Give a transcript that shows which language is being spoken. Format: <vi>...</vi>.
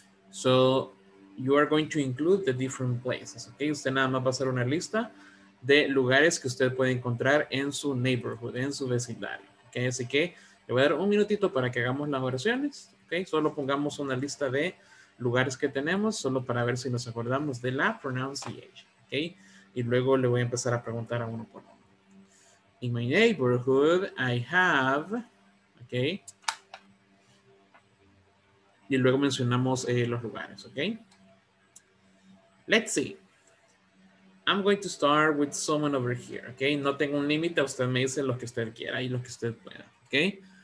<en>So you are going to include the different places, okay?</en> <es>Usted nada más va a hacer una lista de lugares que usted puede encontrar en su neighborhood, en su vecindario, okay? Así que le voy a dar un minutito para que hagamos las oraciones, okay? Solo pongamos una lista de lugares que tenemos, solo para ver si nos acordamos de la pronunciation, okay? Y luego le voy a empezar a preguntar a uno por uno.</es> <en>In my neighborhood, I have, okay?</en> <es>Y luego mencionamos los lugares, okay?</es> <en>Let's see. I'm going to start with someone over here, okay?</en> <es>No tengo un límite, usted me dice lo que usted quiera y lo que usted pueda, okay?</es>